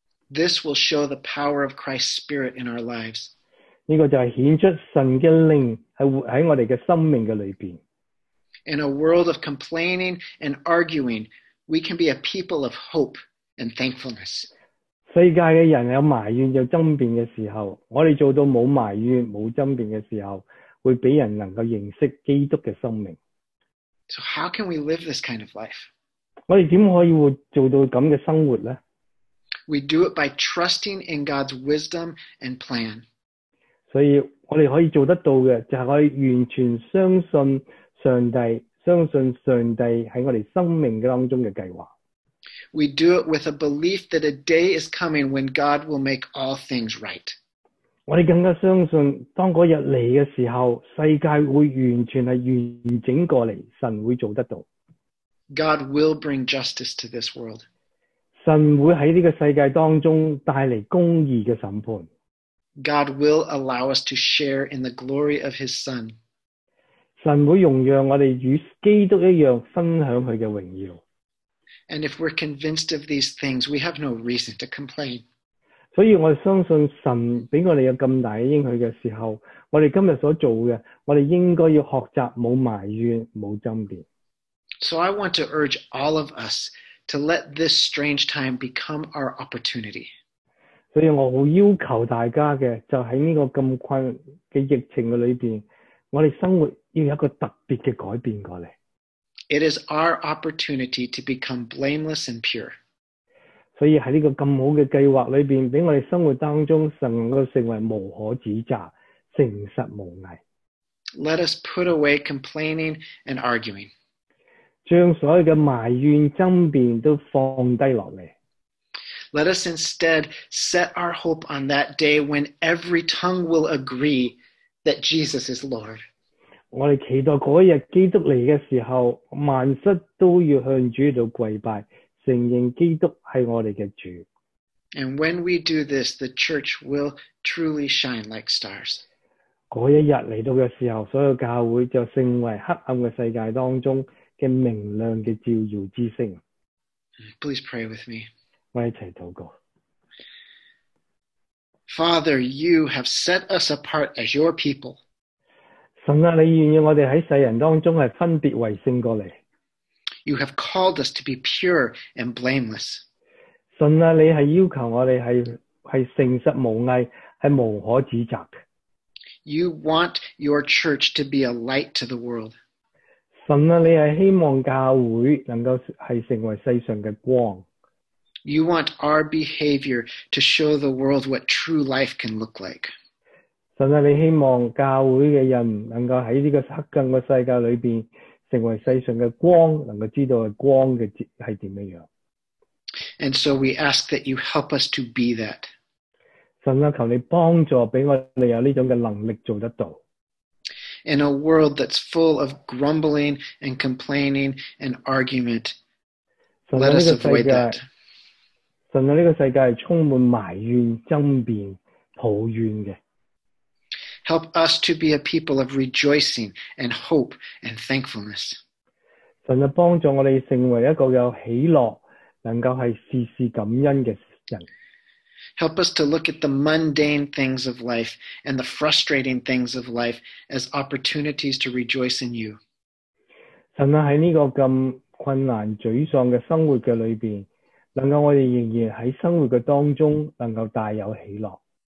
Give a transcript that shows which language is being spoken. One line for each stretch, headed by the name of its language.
English: This will show the power of Christ's Spirit in our lives.
Chinese: 这个就是显出神的灵在我们的生命里面。
English: In a world of complaining and arguing, we can be a people of hope and thankfulness.
Chinese: 世界的人有埋怨有争辩的时候，我们做到没有埋怨没有争辩的时候，会被人能够认识基督的生命。
English: So how can we live this kind of life?
Chinese: 我们怎么可以做到这样的生活呢？
English: We do it by trusting in God's wisdom and plan.
Chinese: 所以我们可以做得到的，就是可以完全相信上帝，相信上帝在我们生命当中的计划。
English: We do it with a belief that a day is coming when God will make all things right.
Chinese: 我们更加相信当那日来的时候，世界会完全是完整过来，神会做得到。
English: God will bring justice to this world.
Chinese: 神会在这个世界当中带来公义的审判。
English: God will allow us to share in the glory of his son.
Chinese: 神会容让我们与基督一样分享他的荣耀。
English: And if we're convinced of these things, we have no reason to complain.
Chinese: 所以我们相信神给我们有这么大的应许的时候，我们今天所做的，我们应该要学习没有埋怨，没有争辩。
English: So I want to urge all of us to let this strange time become our opportunity.
Chinese: 所以我很要求大家的，就在这个这么困的疫情里面，我们生活要有一个特别的改变过来。
English: It is our opportunity to become blameless and pure.
Chinese: 所以在这个这么好的计划里面，在我们生活当中，神能够成为无可指责，诚实无伪。
English: Let us put away complaining and arguing.
Chinese: 将所有的埋怨争辩都放低下来。
English: Let us instead set our hope on that day when every tongue will agree that Jesus is Lord.
Chinese: 我们期待那天基督来的时候，万室都要向主来跪拜，承认基督是我们的主。
English: And when we do this, the church will truly shine like stars.
Chinese: 那一天来到的时候，所有教会就成为黑暗的世界当中的明亮的照耀之星。
English: Please pray with me.
Chinese: 我们一起祷告。
English: Father, you have set us apart as your people.
Chinese: 神啊，你愿意我们在世人当中是分别为圣过来。
English: You have called us to be pure and blameless.
Chinese: 神啊，你是要求我们 是诚实无伪，是无可指责的。
English: You want your church to be a light to the world.
Chinese: 神啊，你是希望教会能够是成为世上的光。
English: You want our behavior to show the world what true life can look like.
Chinese: 神啊，你希望教会的人能够在这个黑暗的世界里面成为世上的光，能够知道光的是怎么样。
English: And so we ask that you help us to be that.
Chinese: 神啊，求你帮助给我们有这种的能力做得到。
English: In a world that's full of grumbling and complaining and argument, let us avoid that.
Chinese: 神啊，这个世界是充满埋怨、争辩、抱怨的。
English: Help us to be a people of rejoicing and hope and thankfulness.
Chinese: 神啊，帮助我们成为一个有喜乐、能够是事事感恩的人。
English: Help us to look at the mundane things of life and the frustrating things of life as opportunities to rejoice in you.
Chinese: 神啊，在这个这么困难、沮丧的生活的里面，能够我们仍然在生活的当中能够带有喜乐。